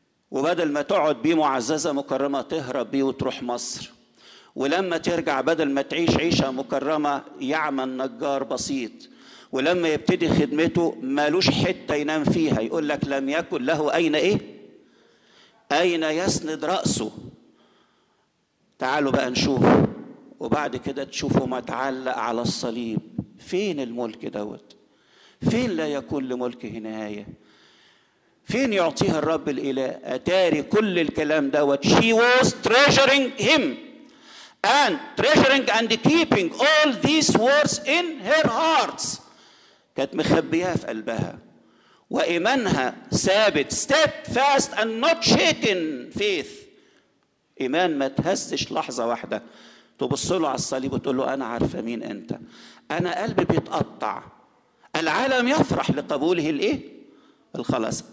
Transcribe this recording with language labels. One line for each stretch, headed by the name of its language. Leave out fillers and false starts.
Arabic: وبدل ما تقعد بيه معززة مكرمة تهرب بيه وتروح مصر، ولما ترجع بدل ما تعيش عيشة مكرمة يعمل نجار بسيط، ولما يبتدي خدمته مالوش حتة ينام فيها، يقول لك لم يكن له أين إيه؟ أين يسند رأسه؟ تعالوا بقى نشوف، وبعد كده تشوفوا ما تعلق على الصليب، فين الملك دوت؟ فين لا يكون لملكه نهاية؟ فين يعطيها الرب الإله؟ أتاري كل الكلام دوت.
English: She was treasuring him and treasuring and keeping all these words in her hearts.
Arabic: كانت مخبيها في قلبها، وإيمانها ثابت،
English: steadfast and not shaken faith.
Arabic: إيمان ما تهزش لحظة واحدة. تبص له على الصليب وتقول له أنا عارفة مين أنت. أنا قلبي بيتقطع. العالم يفرح لقبوله الإيه؟ الخلاص.